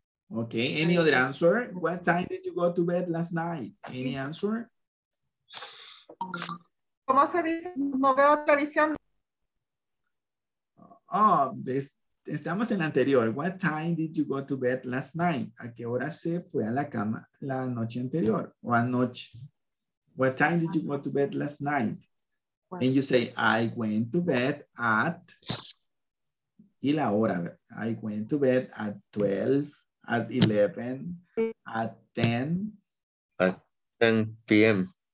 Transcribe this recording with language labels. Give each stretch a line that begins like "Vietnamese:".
English: Okay, any other answer? What time did you go to bed last night? Any answer?
Spanish: ¿Cómo se dice? No veo televisión. Oh, estamos en anterior.
English: What time did you go to bed last night?
Spanish: ¿A qué hora se fue a la cama la noche anterior? O anoche.
English: What time did you go to bed last night? And you say, I went to bed at...
Spanish: Y la hora.
English: I went to bed at 12, at 11, at 10. At 10 p.m.